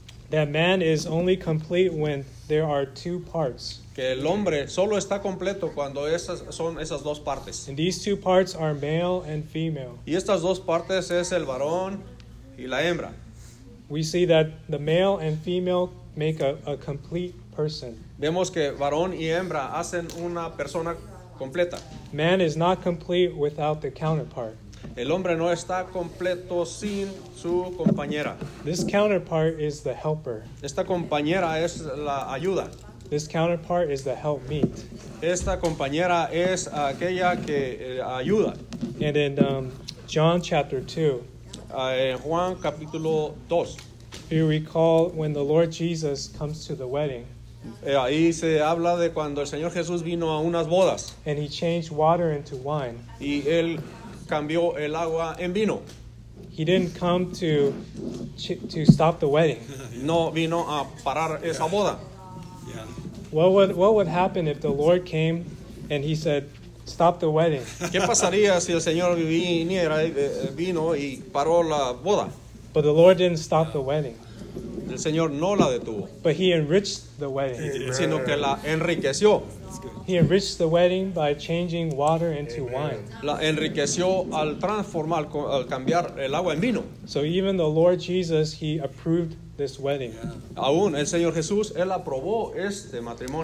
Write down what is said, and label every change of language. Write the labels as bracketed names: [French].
[English] That man is only complete when there are two parts. [Spanish] Que el hombre solo está completo cuando son esas dos partes. [English] And these two parts are male and female. [Spanish] Y estas dos partes es el varón y la hembra. [English] We see that the male and female make a complete person. [Spanish] Vemos que varón y hembra hacen una persona completa. [English] Man is not complete without the counterpart. [Spanish] El hombre no está completo sin su compañera. [English] This counterpart is the helper. [Spanish] Esta compañera es la ayuda. [English] This counterpart is the help meet. [Spanish] Esta compañera es aquella que ayuda. [English] And in John chapter 2. [Spanish] En Juan capítulo 2. [English] If you recall when the Lord Jesus comes to the wedding. [Spanish] Ahí se habla de cuando el Señor Jesús vino a unas bodas. [English] And he changed water into wine. [Spanish] Y él cambió el agua en vino. [English] He didn't come to stop the wedding. [Spanish] No vino a parar esa boda. [English] Yeah. What would happen if the Lord came and he said, stop the wedding? [Spanish] ¿Qué pasaría si el Señor vino y paró la boda? [English] But the Lord didn't stop the wedding. [Spanish] El Señor no la detuvo. [English] But he enriched the wedding. [Spanish] Amen. Sino que la enriqueció. [English] He enriched the wedding by changing water into Amen. Wine. [Spanish] La enriqueció al transformar, al cambiar el agua en vino. [English] So even the Lord Jesus, he approved this wedding. Yeah. [Spanish] Aún el Señor Jesús, él aprobó este matrimonio.